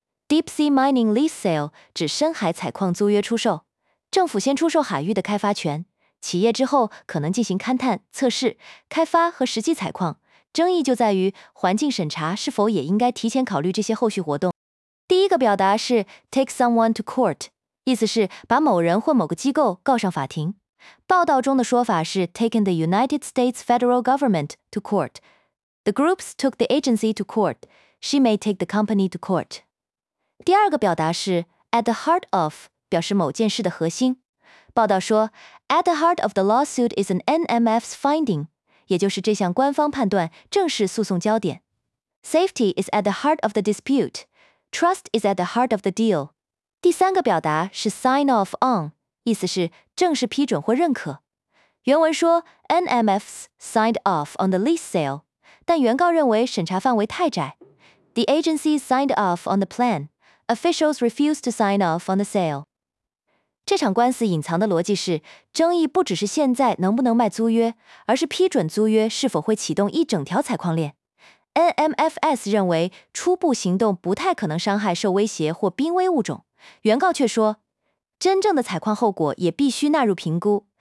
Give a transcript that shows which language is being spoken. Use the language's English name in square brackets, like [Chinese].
[Chinese] Deep Sea Mining Lease Sale 指深海采矿租约出售，政府先出售海域的开发权，企业之后可能进行勘探、测试、开发和实际采矿，争议就在于环境审查是否也应该提前考虑这些后续活动。第一个表达是 [English] take someone to court， [Chinese] 意思是把某人或某个机构告上法庭。报道中的说法是 [English] taken the United States federal government to court。 The groups took the agency to court. She may take the company to court. [Chinese] 第二个表达是 [English] at the heart of， [Chinese] 表示某件事的核心。报道说 [English] at the heart of the lawsuit is an NMF's finding， [Chinese] 也就是这项官方判断正是诉讼焦点。 [English] Safety is at the heart of the dispute. Trust is at the heart of the deal. [Chinese] 第三个表达是 [English] sign off on， [Chinese] 意思是正式批准或认可。原文说 [English] NMFs signed off on the lease sale， [Chinese] 但原告认为审查范围太窄。 [English] The agency signed off on the plan. Officials refused to sign off on the sale. [Chinese] 这场官司隐藏的逻辑是，争议不只是现在能不能卖租约，而是批准租约是否会启动一整条采矿链。 NMFS 认为初步行动不太可能伤害受威胁或濒危物种，原告却说真正的采矿后果也必须纳入评估。